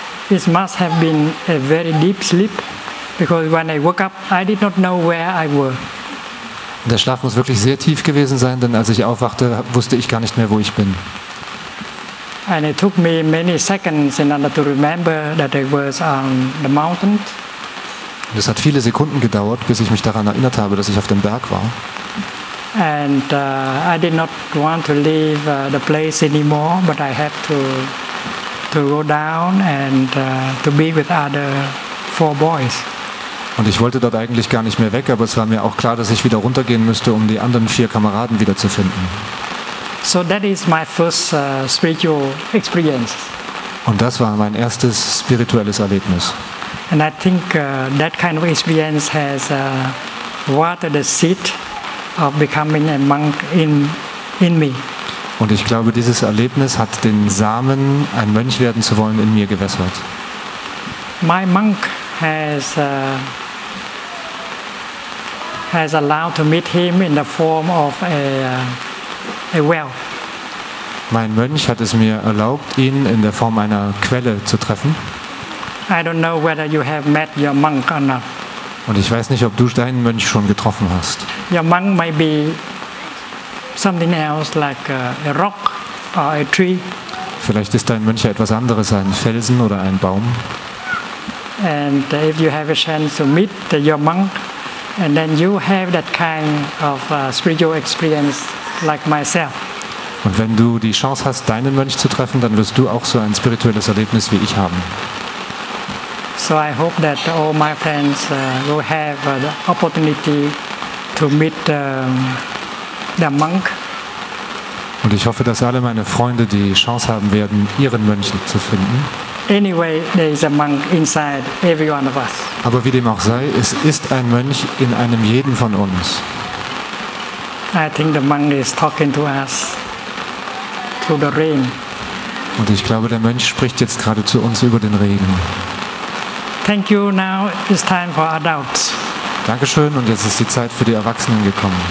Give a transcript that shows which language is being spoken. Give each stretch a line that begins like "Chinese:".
English: It must have been a very deep sleep, because when I woke up, I did not know where I were.
German: Der Schlaf muss wirklich sehr tief gewesen sein, denn als ich aufwachte, wusste ich gar nicht mehr, wo ich bin.
English: And it took me many seconds in order to remember that I was on the mountain.
German: Es hat viele Sekunden gedauert, bis ich mich daran erinnert habe, dass ich auf dem Berg war.
English: And I did not want to leave the place anymore, but I had to go down and to be with other four boys.
German: Und ich wollte dort eigentlich gar nicht mehr weg, aber es war mir auch klar, dass ich wieder runtergehen müsste, um die anderen vier Kameraden wiederzufinden.
English: So that is my first spiritual experience.
German: Und das war mein erstes spirituelles Erlebnis.
English: And I think that kind of experience has watered the seed of becoming a monk in me.
German: Und ich glaube, dieses Erlebnis hat den Samen, ein Mönch werden zu wollen, in mir gewässert.
English: My monk has allowed to meet him in the form of a well.
German: Mein Mönch hat es mir erlaubt, ihn in der Form einer Quelle zu treffen.
English: I don't know whether you have met your monk or not.
German: Und ich weiß nicht, ob du deinen Mönch schon getroffen hast.
English: Your monk might be something else, like a rock or a tree.
German: Vielleicht ist dein Mönch etwas anderes, ein Felsen oder ein Baum.
English: And if you have a chance to meet your monk, and then you have that kind of spiritual experience. Like myself.
German: Und wenn du die Chance hast, deinen Mönch zu treffen, dann wirst du auch so ein spirituelles Erlebnis wie ich haben.
English: So I hope that all my friends will have the opportunity to meet the monk.
German: Und ich hoffe, dass alle meine Freunde die Chance haben werden, ihren Mönch zu finden.
English: Anyway, there is a monk inside every one of us.
German: Aber wie dem auch sei, es ist ein Mönch in einem jeden von uns.
English: I think the monk is talking to us through the rain.
German: Und ich glaube, der Mönch spricht jetzt gerade zu uns über den Regen.
English: Thank you. Now it's time for adults.
German: Dankeschön. Und jetzt ist die Zeit für die Erwachsenen gekommen.